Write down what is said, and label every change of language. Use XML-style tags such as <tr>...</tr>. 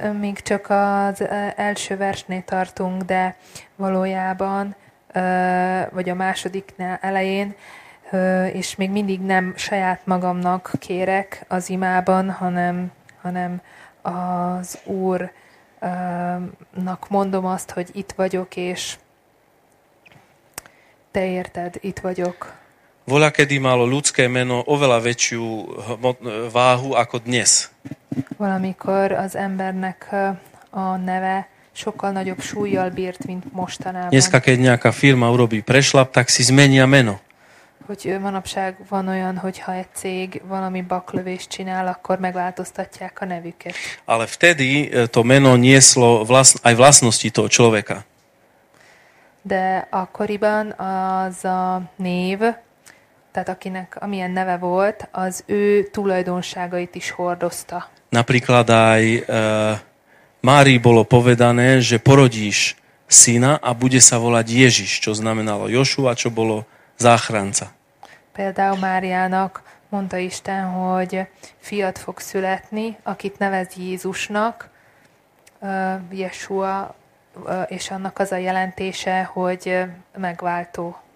<hu>Tehát még csak az első versnél tartunk, de valójában vagy a másodiknál elején, és még mindig nem saját magamnak kérek az imában, hanem az Úrnak mondom azt, hogy itt vagyok, és te érted, itt vagyok.</hu> <sk>Volakedy malo ľudské meno oveľa väčšiu váhu ako dnes.</sk> <hu>Valamikor az embernek a neve sokkal nagyobb súllyal bírt, mint mostanában.</hu> <sk>Dneska, keď nejaká firma urobí prešlap, tak si zmenia meno.</sk> <hu>Hogy manapság van olyan, hogyha egy cég valami baklövést csinál, akkor megváltoztatják a nevüket.</hu> <sk>Ale vtedy to meno nieslo aj vlastnosti toho človeka.</sk> <hu>De akkoriban az a név, tehát akinek amilyen neve volt, az ő tulajdonságait is hordozta.</hu> <sk>Napríklad aj... Márii bolo povedané, že porodíš syna a bude sa volať Ježiš, čo znamenalo Jošua, čo bolo záchranca.</sk> <hu>Például Máriának mondta Isten, hogy fiat fog születni, akit nevez Jézusnak, Jesua, és annak az a jelentése, hogy megváltó.</hu>